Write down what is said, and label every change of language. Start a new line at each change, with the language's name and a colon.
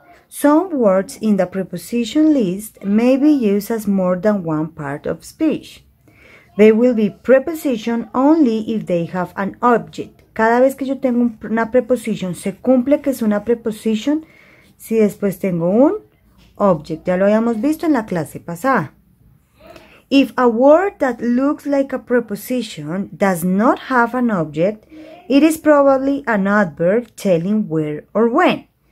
English: Some words in the preposition list may be used as more than one part of speech. They will be preposition only if they have an object.
Spanish: Cada vez que yo tengo una preposición, se cumple que es una preposición si después tengo un object. Ya lo habíamos visto en la clase pasada.
English: If a word that looks like a preposition does not have an object, it is probably an adverb telling where or when.